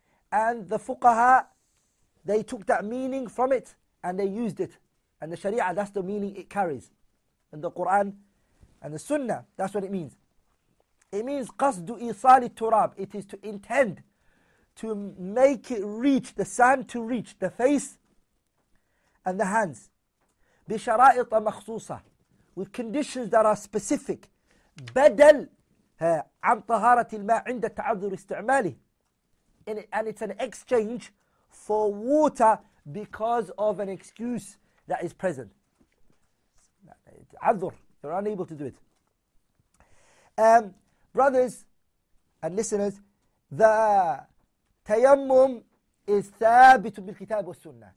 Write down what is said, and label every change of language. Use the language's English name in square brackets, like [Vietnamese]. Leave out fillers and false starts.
[English] And the fuqaha, they took that meaning from it and they used it. And the sharia, that's the meaning it carries. In the Quran and the sunnah, that's what it means. It means [Arabic] قصد إيصال التراب. [English] It is to intend to make it reach, the sand to reach the face and the hands. [Arabic] بشرائط مخصوصة. [English] With conditions that are specific. [Arabic] بدل عن طهارة الماء عند التعذر استعماله. [English] And it's an exchange for water because of an excuse that is present. عذر. You're unable to do it. Brothers and listeners, the tayammum is thabitun bil kitab wa sunnah.